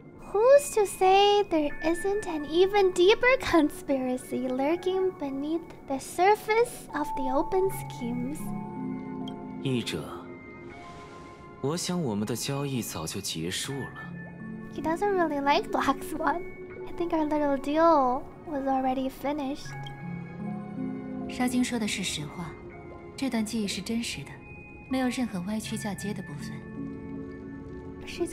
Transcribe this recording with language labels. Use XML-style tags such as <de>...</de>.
<en>Who's to say there isn't an even deeper conspiracy lurking beneath the surface of the open schemes?</en> <zh>译者，我想我们的交易早就结束了。</zh> <en>He doesn't really like Black Swan. I think our little deal was already finished.</en> <zh>沙金说的是实话，这段记忆是真实的，没有任何歪曲嫁接的部分。</zh> <en>She's</en>